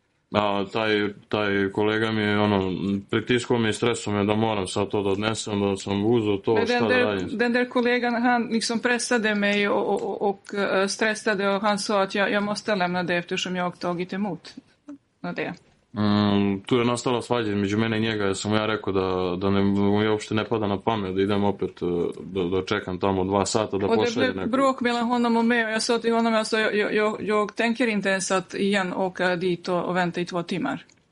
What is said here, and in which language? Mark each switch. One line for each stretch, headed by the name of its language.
Serbian: Ja, taj kolega mi je ono, pritiskao mi i stresao me da moram sad to da odnesem, da sam uzeo to, men šta
Swedish: den
Serbian: da radim.
Swedish: Den där kollegan, han liksom pressade mig och stressade och han sa att jag måste lämna det eftersom jag tagit emot det.
Serbian: Tu je nastala svađa između mene i njega, jer sam ja rekao da ne, uopšte ne pada na pamet da idem opet da čekam tamo 2 sata da pošaljem nekog.
Swedish: Det blev bråk mellan honom och mig och jag sa till honom att jag tänker inte ens att igen åka dit och vänta i 2 timmar.